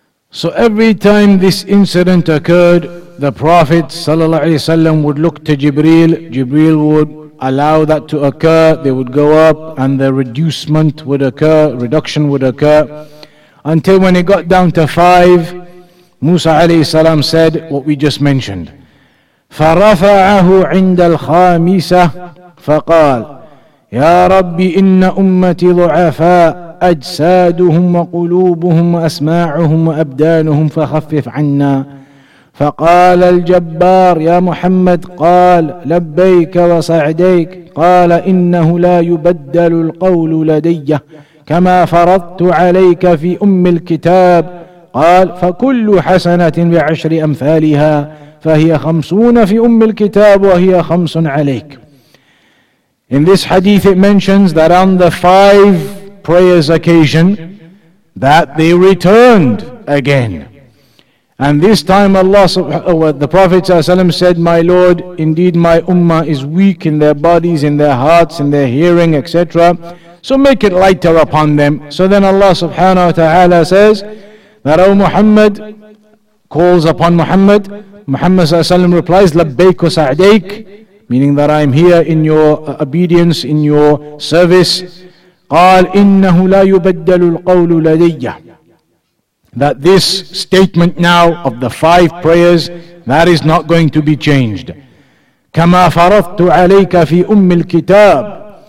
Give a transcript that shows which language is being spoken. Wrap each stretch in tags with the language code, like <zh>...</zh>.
<en>So every time this incident occurred, the Prophet ﷺ would look to Jibreel. Jibreel would allow that to occur. They would go up and the reducement would occur, reduction would occur. Until when it got down to five, Musa ﷺ said what we just mentioned.</en> <ar>فَرَفَعَهُ عِنْدَ الْخَامِسَةِ فَقَالَ يَا رَبِّ إِنَّ أُمَّتِ ضُعَفَاءَ أجسادهم وقلوبهم وأسماعهم وأبدانهم فخفف عنا فقال الجبار يا محمد قال لبيك وسعديك قال إنه لا يبدل القول لدي كما فرضت عليك في أم الكتاب قال فكل حسنة بعشر أمثالها فهي خمسون في أم الكتاب وهي خمس عليك.</ar> <en>In this hadith it mentions that on the five prayers occasion that they returned again, and this time the Prophet ﷺ said, my Lord, indeed my ummah is weak in their bodies, in their hearts, in their hearing, etc., so make it lighter upon them. So then Allah subhanahu wa ta'ala says that O Muhammad, calls upon Muhammad, Muhammad ﷺ replies, labbaik wa sa'daik, meaning that I am here in your obedience, in your service.</en> <ar>قال إنه لا يبدل القول لدي.</ar> <en>That this statement now of the five prayers, that is not going to be changed.</en> <ar>كما فرضت عليك في أم الكتاب.</ar>